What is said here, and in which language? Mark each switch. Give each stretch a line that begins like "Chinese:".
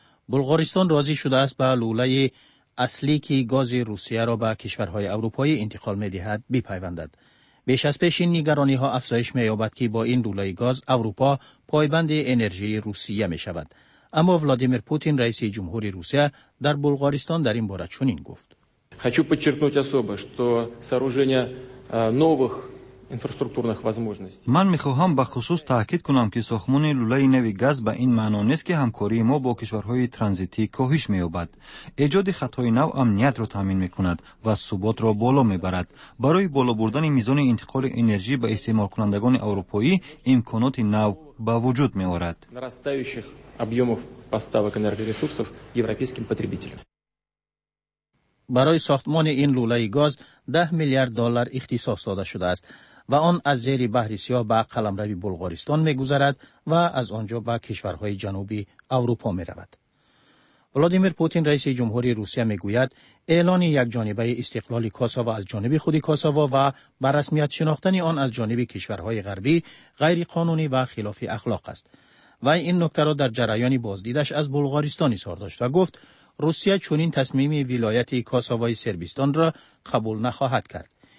Persian: بلغارستان راضی شده است به لوله اصلی که گاز روسیه را به کشورهای اروپایی انتقال می دهد بپیوندد. بیش از پیش این نگرانی ها افزایش می یابد که با این لوله گاز اروپا پایبند انرژی روسیه می شود. اما ولادیمیر پوتین رئیس جمهور روسیه در بلغارستان در این باره چنین گفت:
Russian: хочу подчеркнуть особо, что сооружение новых инфраструктурных возможностей.
Persian: من میخواهم به خصوص تاکید کنم که ساختمان لوله نوی گاز به این معنا نیست که همکاری ما با کشورهای ترانزیتی کاهش مییابد. ایجاد خطهای نو امنیت را تامین میکند و ثبات را بالا میبرد. برای بالا بردن میزان انتقال انرژی به استعمال کنندگان اروپایی امکانات نو به وجود میآورد.
Russian: нарастающих объёмов поставок энергоресурсов европейским потребителям.
Persian: برای ساختمان این لوله گاز 10 میلیارد دلار اختصاص داده شده است و آن از زیر بحر سیاه به قلمرو بلغارستان می گذرد و از آنجا به کشورهای جنوبی اروپا می رود. ولادیمیر پوتین رئیس جمهوری روسیه می گوید اعلان یک جانبه استقلال کوسوو از جانب خودی کوسوو و به رسمیت شناختن آن از جانب کشورهای غربی غیر قانونی و خلاف اخلاق است و این نکته را در جریان بازدیدش از بلغارستان اظهار داشت و گفت روسیه چنین تصمیم ولایت کوسووی سربستان را قبول نخواهد کرد.